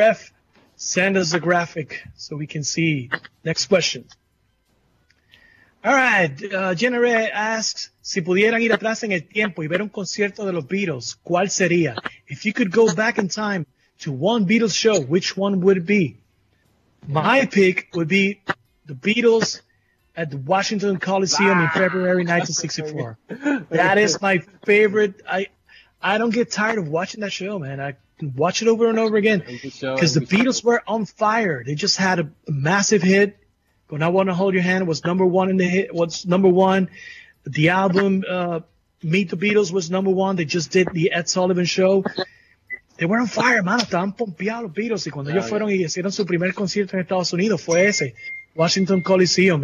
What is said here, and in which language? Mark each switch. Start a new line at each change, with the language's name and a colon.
English: F, send us the graphic so we can see. Next question. All right, Generé asks,
Spanish: si pudieran ir atrás en el tiempo y ver un concierto de los Beatles, ¿cuál sería?
English: If you could go back in time to one Beatles show, which one would it be? My pick would be the Beatles at the Washington Coliseum in February 1964. That is my favorite. I don't get tired of watching that show, man. I watch it over and over again because the Beatles were on fire. They just had a massive hit. When I Want to Hold Your Hand was number one in the hit, was number one. The album Meet the Beatles was number one. They just did the Ed Sullivan Show. They were on fire, man.
Spanish: Estaban pompeados los Beatles. Y cuando ellos fueron y hicieron su primer concierto en Estados Unidos, fue ese, Washington Coliseum.